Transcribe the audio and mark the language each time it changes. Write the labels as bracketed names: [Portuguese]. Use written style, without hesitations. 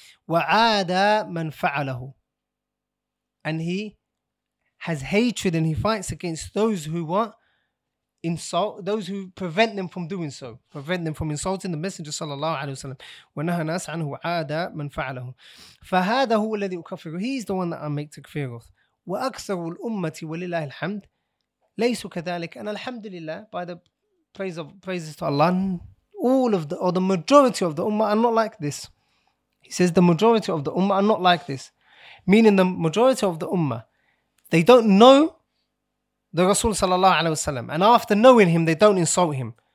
[Arabic] وعاد من فعله, [English] and he has hatred and he fights against those who what? Insult those who prevent them from doing so, prevent them from insulting the Messenger sallallahu alaihi wasallam. [Arabic] ونهى الناس عنه وعاد من فعله. فهذا هو الذي أكفره. [English] He is the one that I make takfir of. [Arabic] وأكثر الأمة ولله الحمد ليس كذلك. [English] And alhamdulillah, by the praises to Allah, the majority of the ummah are not like this. He says the majority of the ummah are not like this, meaning the majority of the ummah, they don't know the Rasul sallallahu alaihi wasallam, and after knowing him, they don't insult him.